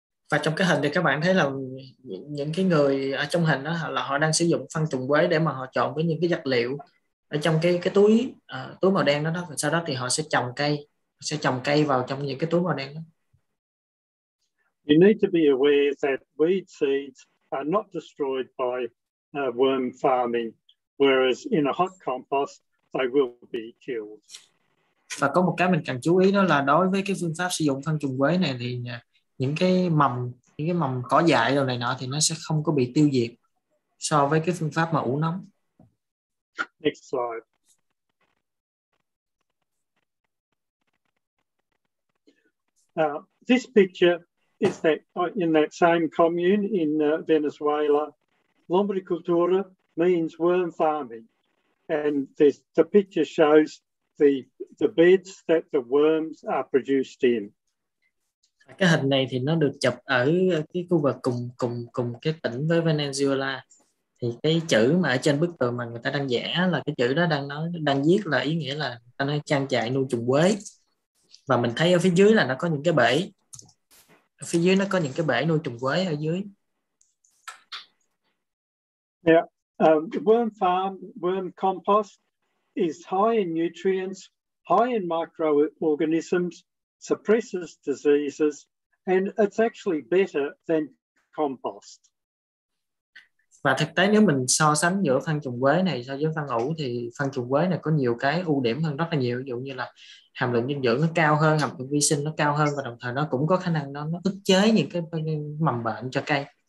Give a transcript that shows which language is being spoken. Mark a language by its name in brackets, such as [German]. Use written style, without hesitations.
[Vietnamese] Và trong cái hình thì các bạn thấy là những cái người ở trong hình đó là họ đang sử dụng phân trùng quế để mà họ trộn với những cái vật liệu ở trong cái túi túi màu đen đó, sau đó thì họ sẽ trồng cây vào trong những cái túi màu đen đó. [English] You need to be aware that weed seeds are not destroyed by worm farming, whereas in a hot compost they will be killed. [Vietnamese] Và có một cái mình cần chú ý đó là đối với cái phương pháp sử dụng phân trùng quế này thì những cái mầm cỏ dại đồ này nọ thì nó sẽ không có bị tiêu diệt so với cái phương pháp mà ủ nóng. [English] Next slide. This picture is that in that same commune in Venezuela, lombricultura means worm farming, and the picture shows the beds that the worms are produced in. [Vietnamese] Cái hình này thì nó được chụp ở cái khu vực cùng cái tỉnh với Venezuela. Thì cái chữ mà ở trên bức tường mà người ta đang vẽ là cái chữ đó đang viết là ý nghĩa là người ta nói trang trại nuôi trùng quế. Và mình thấy ở phía dưới là nó có những cái bể. Ở phía dưới nó có những cái bể nuôi trùng quế ở dưới. [English] Yeah. Worm farm, worm compost is high in nutrients, high in microorganisms, suppresses diseases, and it's actually better than compost. [Vietnamese] Và thực tế nếu mình so sánh giữa phân trùng quế này so với phân ủ thì phân trùng quế này có nhiều cái ưu điểm hơn rất là nhiều, ví dụ như là hàm lượng dinh dưỡng nó cao hơn, hàm lượng vi sinh nó cao hơn, và đồng thời nó cũng có khả năng nó ức chế những cái mầm bệnh cho cây.